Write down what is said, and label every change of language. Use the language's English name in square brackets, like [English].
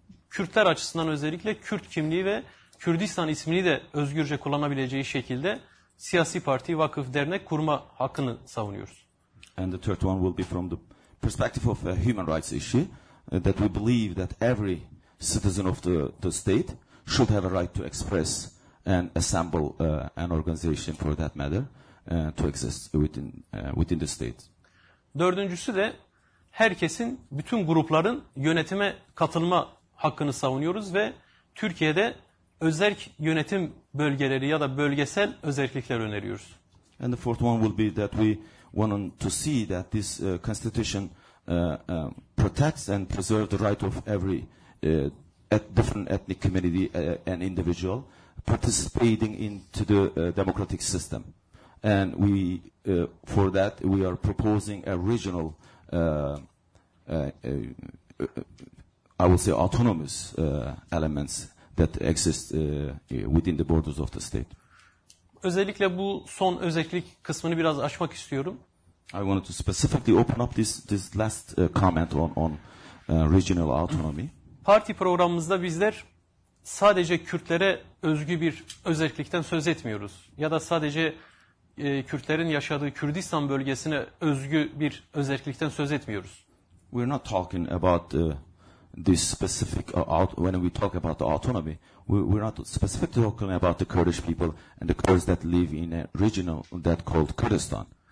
[Turkish] Kürtler açısından özellikle Kürt kimliği ve Kürdistan ismini de özgürce kullanabileceği şekilde siyasi parti, vakıf, dernek kurma hakkını savunuyoruz. [English] And the third one will be from the perspective of a human rights issue, that we believe that every citizen of the state should have a right to express and assemble an organization for that matter to exist within the state. [Turkish] Dördüncüsü de herkesin, bütün grupların yönetime katılma hakkını savunuyoruz ve Türkiye'de özerk yönetim bölgeleri ya da bölgesel özerklikler öneriyoruz. [English] And the fourth one will be that we wanting to see that this constitution protects and preserves the right of every different ethnic community and individual participating into the democratic system. And we, for that, we are proposing a regional, I would say, autonomous elements that exist within the borders of the state. [Turkish] Özellikle bu son özellik kısmını biraz açmak istiyorum. [English] I wanted to specifically open up this last comment on regional autonomy. [Turkish] Parti programımızda bizler sadece Kürtlere özgü bir özellikten söz etmiyoruz. Ya da sadece Kürtlerin yaşadığı Kürdistan bölgesine özgü bir özellikten söz etmiyoruz. [English] We're not talking about this specific when we talk about the autonomy, we're not specifically talking about the Kurdish people and the Kurds that live in a region that called Kurdistan.